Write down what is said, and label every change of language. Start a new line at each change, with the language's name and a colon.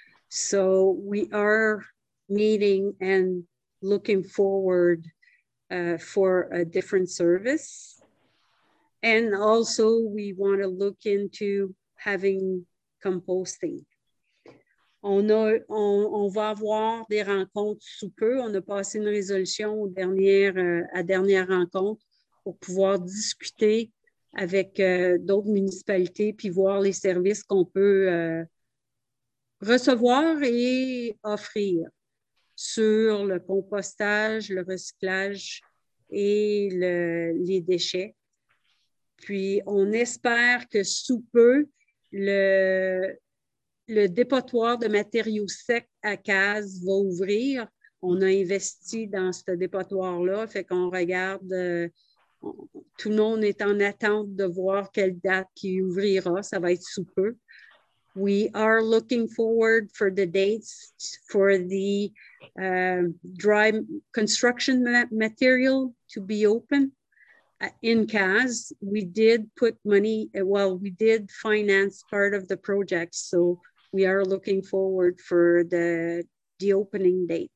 English: So we are meeting and looking forward for a different service. And also we want to look into having composting.
French: On va avoir des rencontres sous peu. On a passé une résolution aux dernières, à dernière rencontre pour pouvoir discuter avec d'autres municipalités puis voir les services qu'on peut recevoir et offrir sur le compostage, le recyclage et les déchets. Puis on espère que sous peu, le dépotoir de matériaux secs à Cases va ouvrir. On a investi dans ce dépotoir-là, fait qu'on regarde, tout le monde est en attente de voir quelle date qui ouvrira, ça va être sous peu.
English: We are looking forward for the dates for the dry construction material to be open in CAS. We did put money, well, we did finance part of the project, so we are looking forward for the opening date.